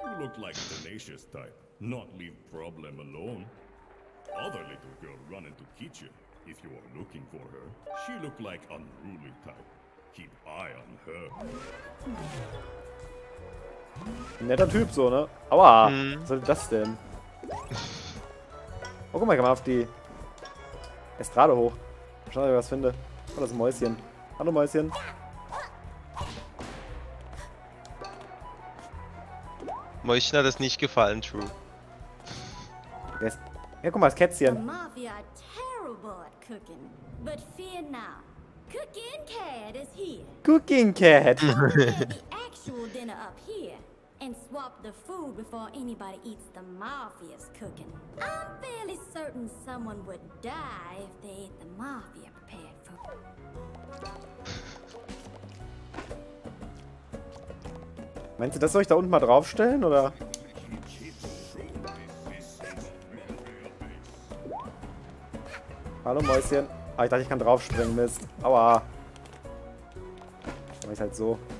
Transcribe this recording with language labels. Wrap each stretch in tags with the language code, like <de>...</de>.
<en>You look like a tenacious type, not leave problem alone. Other little girl run into kitchen. If you are looking for her, she look like unruly type. Keep eye on her.</en> <de>Netter Typ, so, ne? Aua! Mhm. Was soll das denn? Oh, guck mal, ich kann mal auf die Estrade hoch. Mal schauen, ob ich was finde. Oh, das ist ein Mäuschen. Hallo, Mäuschen. Mäuschen hat es nicht gefallen, True. Der ist... Ja, guck mal, das Kätzchen. Die Mafia ist</de> <en>terrible at cooking. But fear now. Cooking Cat is here. Cooking Cat. The actual dinner up here. And swap the food before anybody eats the Mafia's cooking. I'm fairly certain someone would die if they ate the Mafia prepared food.</en> <de>Meinst du, das soll ich da unten mal draufstellen, oder? Hallo, Mäuschen. Ah, ich dachte, ich kann draufspringen, Mist. Aua. Mach ich halt so.</de>